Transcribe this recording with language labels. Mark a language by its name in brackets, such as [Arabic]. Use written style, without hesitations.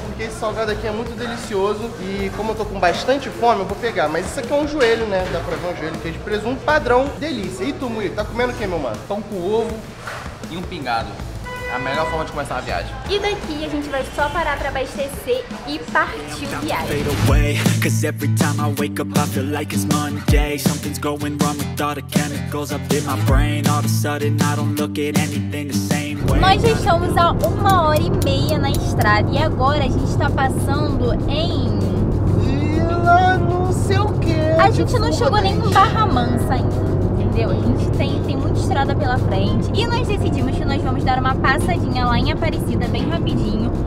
[Portuguese] Porque esse salgado aqui é muito delicioso. E como eu tô com bastante fome, eu vou pegar. Mas isso aqui é um joelho, né? Dá pra ver um joelho que é de presunto padrão. Delícia. E tu, Murilo, tá comendo o que, meu mano? Pão com ovo e um pingado. É a melhor forma de começar a viagem. E daqui a gente vai só parar pra abastecer e partir viagem. [English] Fade away, cause every time I wake up I feel like it's Monday. Something's going wrong with all the chemicals up in my brain. All of a sudden I don't look at anything the same way. [Portuguese] Nós já estamos há uma hora e meia na estrada e agora a gente tá passando em... Vila não sei o que. A gente não chegou nem com Barra Mansa ainda. A gente tem muita estrada pela frente. E nós decidimos que nós vamos dar uma passadinha lá em Aparecida, bem rapidinho.